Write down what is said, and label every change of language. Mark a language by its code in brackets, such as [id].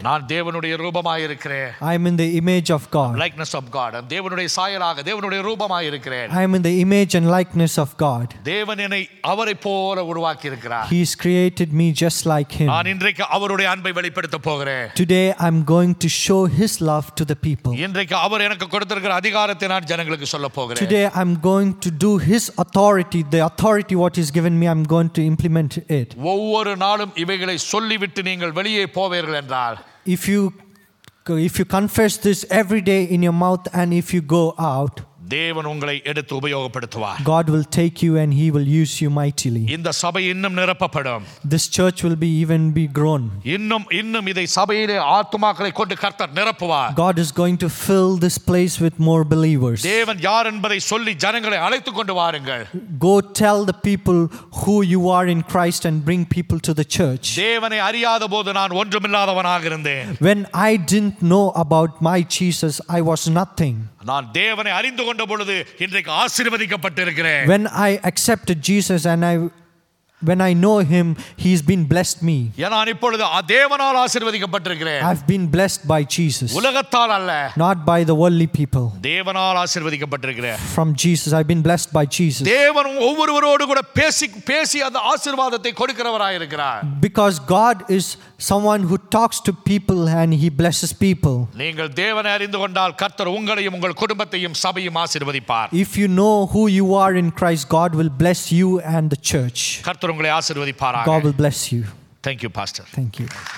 [ta] நான் தேவனுடைய ரூபமாய் இருக்கிறேன். [en] I am in the image of God. Likeness of God. [ta] தேவனுடைய சாயலாக தேவனுடைய ரூபமாய் இருக்கிறேன். [en] I am in the image and likeness of God. [ta] தேவன் என்னை அவரை போல உருவாக்கி இருக்கிறார். [en] He has created me just like him. [ta] நான் இன்றைக்கு அவருடைய அன்பை வெளிப்படுத்த போகிறேன். [en] Today I am going to show his love to the people. [ta] இன்றைக்கு அவர் எனக்கு கொடுத்திருக்கிற அதிகாரத்தை நான் ஜனங்களுக்கு சொல்ல போகிறேன். [en] Today I am going to do his authority, the authority what he's given me, I'm going to implement it. [ta] ஒவ்வொரு நாளும் இவைகளை சொல்லிவிட்டு நீங்கள் வெளியே போவீர்கள் என்றால், [en] if you confess this every day in your mouth and if you go out, [ta] தேவன் உங்களை எடுத்து உபயோகப்படுத்துவார். [en] God will take you and he will use you mightily. [ta] இந்த சபை இன்னும் நிரப்பப்படும். [en] This church will be even be grown. [ta] இன்னும் இதை சபையிலே ஆத்துமாக்களை கொண்டு கர்த்தர் நிரப்புவார். [en] God is going to fill this place with more believers. [ta] தேவன் யார் என்பதை சொல்லி ஜனங்களை அழைத்து கொண்டு வாருங்கள். [en] Go tell the people who you are in Christ and bring people to the church. [ta] தேவனை அறியாத போது நான் ஒன்றுமில்லாதவனாக இருந்தேன். [en] When I didn't know about my Jesus, I was nothing. [ta] நான் தேவனை அறிந்து கொண்ட பொழுது இன்றைக்கு ஆசீர்வதிக்கப்பட்டிருக்கிறேன். [en] When I accepted Jesus and when I know him, he's been blessed me. [ta] நான் இப்பொழுது தேவனால் ஆசீர்வதிக்கப்பட்டிருக்கிறேன். [en] I've been blessed by Jesus. [ta] உலகத்தால் அல்ல. [en] Not by the worldly people. [ta] தேவனால் ஆசீர்வதிக்கப்பட்டிருக்கிறேன். [en] From Jesus, I've been blessed by Jesus. [ta] தேவன் ஒவ்வொருவரோடு கூட பேசி அந்த ஆசீர்வாதத்தை கொடுக்கிறவராய் இருக்கிறார். [en] Because God is someone who talks to people and he blesses people. [ta] நீங்கள் தேவனை அறிந்து கொண்டால் கர்த்தர் உங்களையும் உங்கள் குடும்பத்தையும் சபையையும் ஆசீர்வதிப்பார். [en] If you know who you are in Christ, God will bless you and the church. [ta] கர்த்தர் உங்களை ஆசீர்வதிப்பார். [en] God will bless you. Thank you, Pastor. Thank you.